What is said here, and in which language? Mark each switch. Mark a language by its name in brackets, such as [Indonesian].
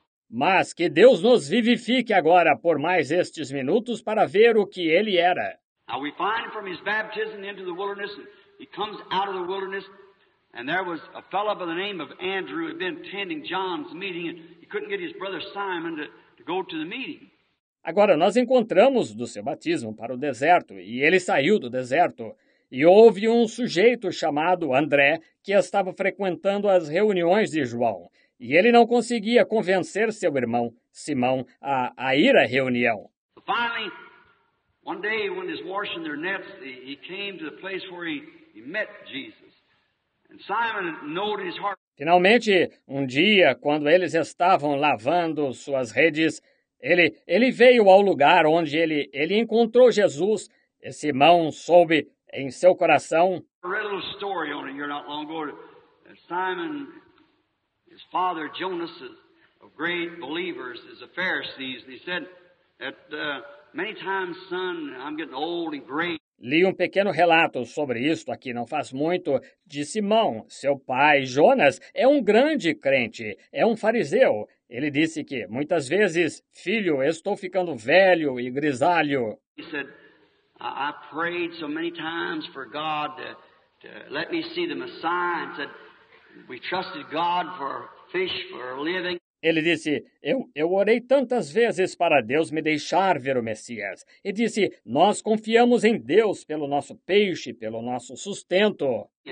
[Portuguese] Mas que Deus nos vivifique agora por mais estes minutos para ver o que ele era. [English] Now we find from his baptism into the wilderness, he comes out of the wilderness, and there was a fellow by the name of Andrew who had been attending John's meeting, and he couldn't get his brother Simon to go to the meeting. [Portuguese] Agora, nós encontramos do seu batismo para o deserto, e ele saiu do deserto. E houve um sujeito chamado André, que estava frequentando as reuniões de João. E ele não conseguia convencer seu irmão, Simão, a ir à reunião. [English] Finally, one day, when he was washing their nets, he came to the place where he met Jesus. And Simon knowed his heart. [Portuguese] Finalmente, um dia, quando eles estavam lavando suas redes, ele veio ao lugar onde ele encontrou Jesus, e Simão soube em seu coração. [English] I read a little story on it here not long ago. Simon, his father, Jonas, of great believers, is a Pharisee. And he said that many times, son, I'm getting old and gray. [Portuguese] Li um pequeno relato sobre isto aqui, não faz muito, de Simão, seu pai, Jonas, é um grande crente, é um fariseu. Ele disse que, muitas vezes, filho, estou ficando velho e grisalho. [English] He said, I prayed so many times for God to let me see the Messiah, and said, we trusted God for fish for a living. [Portuguese] Ele disse, eu orei tantas vezes para Deus me deixar ver o Messias. E disse, nós confiamos em Deus pelo nosso peixe, pelo nosso sustento.